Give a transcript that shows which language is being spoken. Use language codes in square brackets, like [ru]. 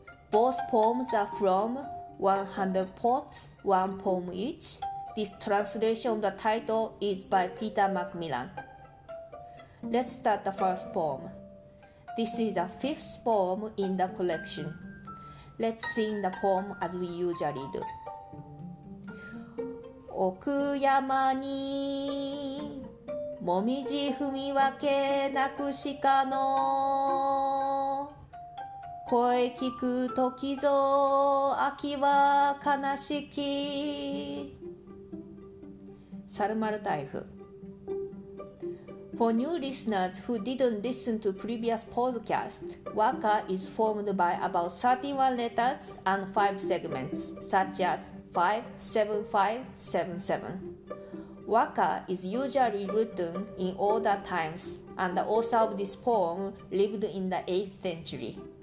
[en] Both poems are from 100 Poets, One Poem Each. This translation of the title is by Peter Macmillan. Let's start the first poem. This is the fifth poem in the collection. Let's sing the poem as we usually do. [ja] 奥山にもみじ踏み分けなくしかの声聞く時ぞ秋は悲しき。サルマルタイフ。 [en] For new listeners who didn't listen to previous podcast, Waka is formed by about 31 letters and 5 segments, such as 5, 7, 5, 7, 7. Waka is usually written in older times, and the author of this poem lived in the 8th century.